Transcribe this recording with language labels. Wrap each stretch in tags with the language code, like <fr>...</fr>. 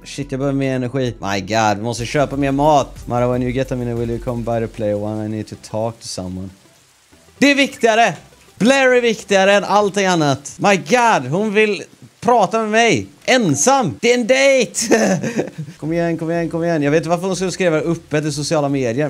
<en>Shit,</en> <sv>jag behöver mer energi.</sv> <en>My god,</en> <sv>vi måste köpa mer mat!</sv> <en>Mara, when you get a minute, will you come by the player one? I need to talk to someone.</en> <sv>Det är viktigare! Blair är viktigare än allting annat.</sv> <en>My god,</en> <sv>hon vill prata med mig. Ensam. Det är en date. Kom igen. Jag vet inte varför hon skulle skriva öppet i sociala medier.</sv>